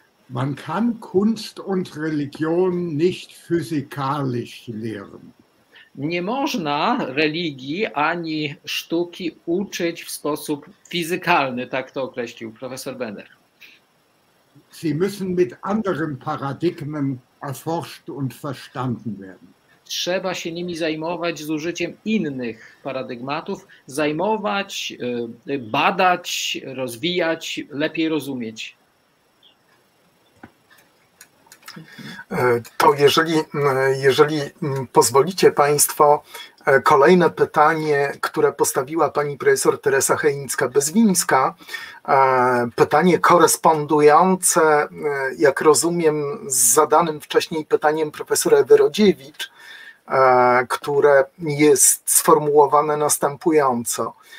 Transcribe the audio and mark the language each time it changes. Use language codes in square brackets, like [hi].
[de] Man kann Kunst und Religion nicht physikalisch lehren. [pl] Nie można religii ani sztuki uczyć w sposób fizykalny, tak to określił profesor Benner. [de] Sie müssen mit anderen Paradigmen erforscht und verstanden werden. [pl] trzeba się nimi zajmować z użyciem innych paradygmatów, zajmować, badać, rozwijać, lepiej rozumieć. To jeżeli pozwolicie Państwo, kolejne pytanie, które postawiła pani profesor Teresa Chejnicka-Bezwińska, pytanie korespondujące, jak rozumiem, z zadanym wcześniej pytaniem profesora Ewy Rodziewicz, które jest sformułowane następująco.